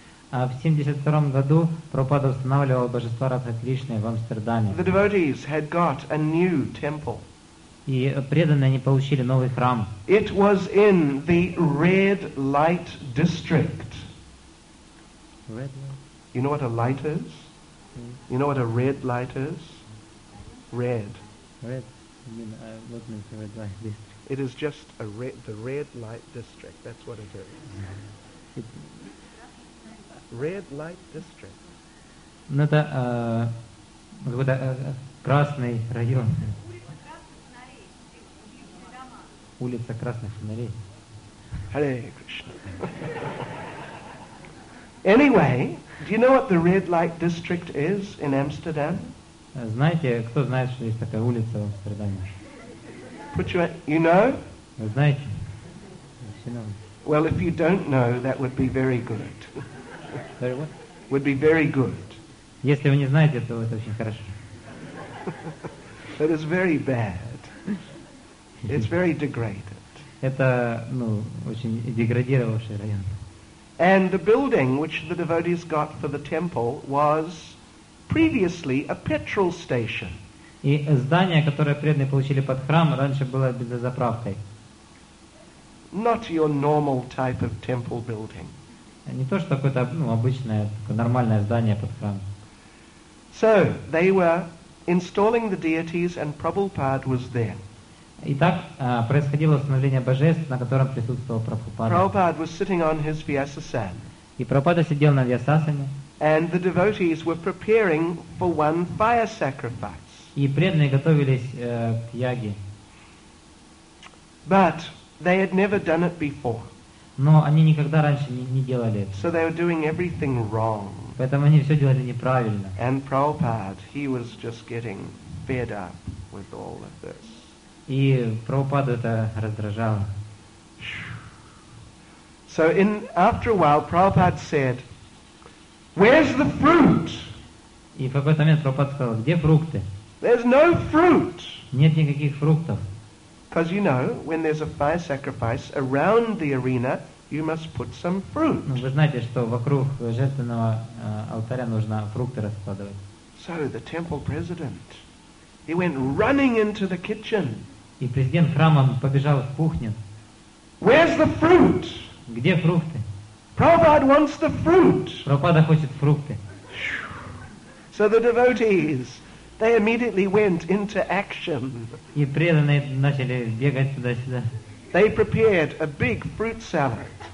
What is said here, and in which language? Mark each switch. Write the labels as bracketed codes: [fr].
[ru] В 72-м году Прабхупада устанавливал божества Радха Кришны в Амстердаме. [en] The devotees had got a new temple. [ru] И преданные они получили новый храм. [en] It was in the red light district. Red light. You know what a light is? Mm. You know what a red light is? Red. Red. I mean, what means a red light district? It is just a red. The red light district. That's what it is. Red light district. [ru] Ну это какой-то красный район. Улица Красных Фонарей. [en] Hare Krishna. Anyway, do you know what the red light district is in Amsterdam? [ru] Знаете, кто знает, что есть такая улица в Амстердаме? [en] Put you know? [ru] Знаете? феномен. [en] Well, if you don't know, that would be very good. Very what? Would be very good. [ru] Если вы не знаете, то это очень хорошо. [en] It is very bad. It's very degraded. [ru] Это, ну, очень деградировавший район. [en] And the building which the devotees got for the temple was previously a petrol station. [ru] И здание, которое преданные получили под храм, раньше было бензозаправкой. [en] Not your normal type of temple building. [ru] Не то, что какое-то, ну, обычное, нормальное здание под храм. [en] So they were installing the deities, and Prabhupada was there. [ru] Итак, происходило установление божеств, на котором присутствовал Прабхупада. [en] Prabhupada was sitting on his Vyasasana. [ru] И Прабхупада сидел на Вьясасане. [en] And the devotees were preparing for one fire sacrifice. [ru] И преданные готовились к яге. [en] But they had never done it before. [ru] Но они никогда раньше не делали это. [en] So they were doing everything wrong. [ru] Поэтому они все делали неправильно. [en] And Prabhupada, he was just getting fed up with all of this. [ru] И Прабхупаду это раздражало. [en] So in after a while, Prabhupada said, "Where's the fruit?" [ru] И в какой-то момент Прабхупада сказал, где фрукты? [en] There's no fruit. [ru] Нет никаких фруктов. [en] Because you know, when there's a fire sacrifice around the arena, you must put some fruit. [ru] Ну, вы знаете, что вокруг жертвенного алтаря нужно фрукты раскладывать. [en] So the temple president, he went running into the kitchen. [ru] И президент храма побежал в кухню. [en] Where's the fruit? [ru] Где фрукты? [en] Prabhupada wants the fruit. [ru] Прабхупада хочет фрукты. [en] So the devotees, they immediately went into action. [ru] И преданные начали бегать туда-сюда. [en] They prepared a big fruit salad.